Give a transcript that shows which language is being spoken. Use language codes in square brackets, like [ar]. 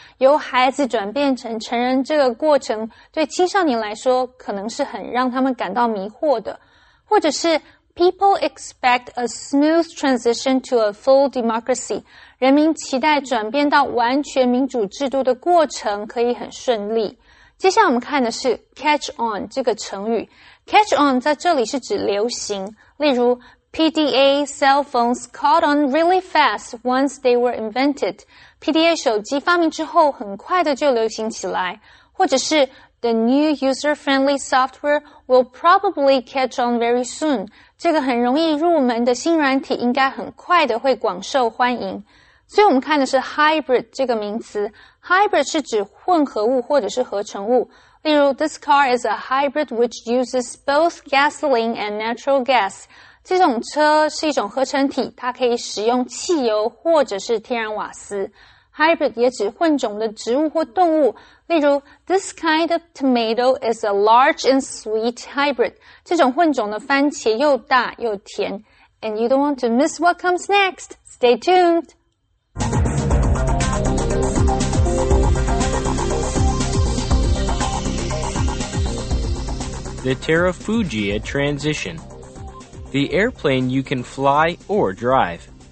[zh] 由孩子转变成成人这个过程对青少年来说可能是很让他们感到迷惑的。或者是 [en] People expect a smooth transition to a full democracy. [zh] 人民期待转变到完全民主制度的过程可以很顺利。接下来我们看的是 catch on 这个成语。 [en] Catch on [zh] 在这里是指流行，例如 [en] PDA cell phones caught on really fast once they were invented. [zh] PDA 手机发明之后很快的就流行起来。或者是 [en] The new user-friendly software will probably catch on very soon. [zh] 这个很容易入门的新软体应该很快的会广受欢迎。所以我们看的是 hybrid 这个名词。Hybrid 是指混合物或者是合成物。例如 [en] This car is a hybrid which uses both gasoline and natural gas. [zh] 这种车是一种合成体，它可以使用汽油或者是天然瓦斯。 Hybrid 也指混种的植物或动物。例如 [en] This kind of tomato is a large and sweet hybrid. [zh] 这种混种的番茄又大又甜。 [en] And you don't want to miss what comes next. Stay tuned! The Terrafugia Transition. The airplane you can fly or drive.